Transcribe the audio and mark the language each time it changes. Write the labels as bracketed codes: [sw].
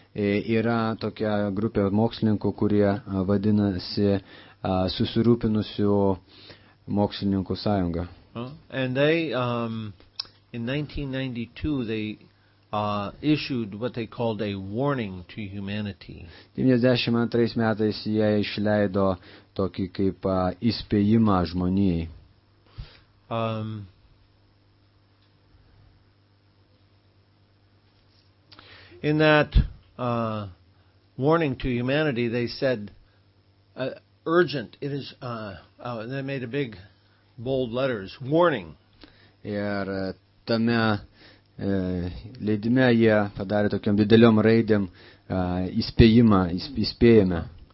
[lt] Yra tokia grupė mokslininkų, kurie vadinasi susirūpinusių mokslininkų sąjunga. [en] And they in 1992 they issued what they called a warning to humanity. [lt] 92 metais jie išleido tokį kaip įspėjimą žmonijai. [en] In that warning to humanity, they said urgent, it is they made a big bold letters warning. [lt] Ir tame leidime jie padarė tokiom dideliom raidėm įspėjimą, įspėjame.